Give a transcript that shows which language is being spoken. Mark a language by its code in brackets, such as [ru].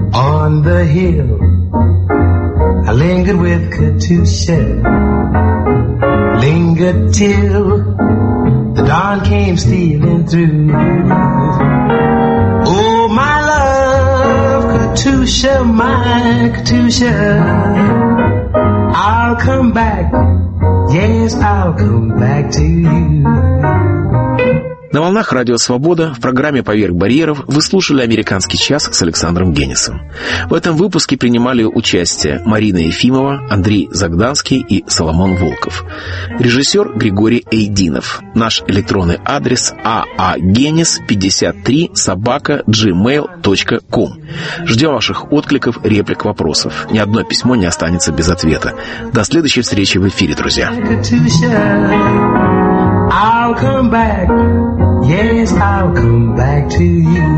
[en] On the hill, I lingered with Katusha, lingered till the dawn came stealing through. Oh, [ru] Катюша, моя Катюша, [en] I'll come back, yes, I'll come back to you. [ru] На волнах «Радио Свобода» в программе «Поверх барьеров» вы слушали «Американский час» с Александром Генисом. В этом выпуске принимали участие Марина Ефимова, Андрей Загданский и Соломон Волков. Режиссер Григорий Эйдинов. Наш электронный адрес aagenis53@gmail.com. Ждем ваших откликов, реплик, вопросов. Ни одно письмо не останется без ответа. До следующей встречи в эфире, друзья. [en] I'll come back, yes, I'll come back to you.